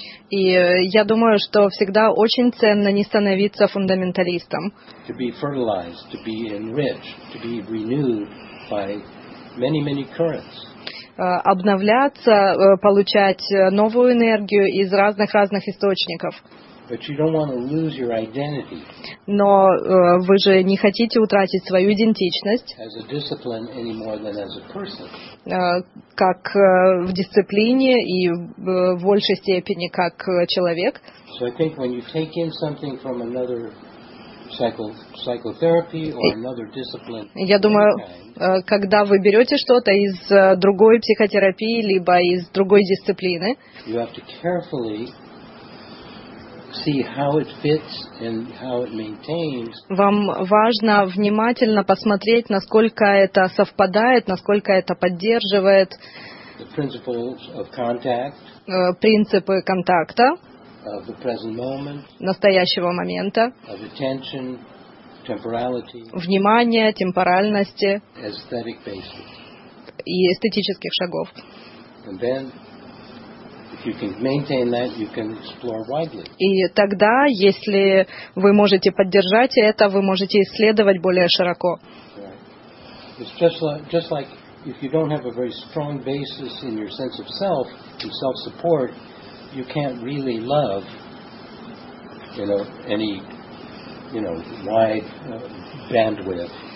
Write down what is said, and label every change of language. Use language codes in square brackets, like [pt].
[ru] И я думаю, что всегда очень ценно не становиться фундаменталистом. [en] To be fertilized, to be enriched, to be renewed by many, many currents. [ru] Обновляться, получать новую энергию из разных-разных источников. [en] But you don't want to lose your identity. [ru] Но вы же не хотите утратить свою идентичность. [en] As a discipline any more than as a person. [ru] Как в дисциплине и в большей степени как человек. [en] So I think when you take in something from another psychotherapy or another discipline. [ru] Я думаю, когда вы берете что-то из другой психотерапии либо из другой дисциплины. [en] You have to carefully see how it fits and how it maintains. [ru] Вам важно внимательно посмотреть, насколько это совпадает, насколько это поддерживает. [en] The principles of contact. [ru] Принципы контакта. [en] Of the present moment. [ru] Настоящего момента. [en] Of attention, temporality. [ru] Внимание, темпоральности. [en] Aesthetic basis. [ru] И эстетических шагов. [en] And then, you can maintain that, you can explore widely. [ru] И тогда, если вы можете поддержать это, вы можете исследовать более широко. [en] Right. It's just like if you don't have a very strong basis in your sense of self, in self-support, you can't really love, you know, any, you know, wide bandwidth.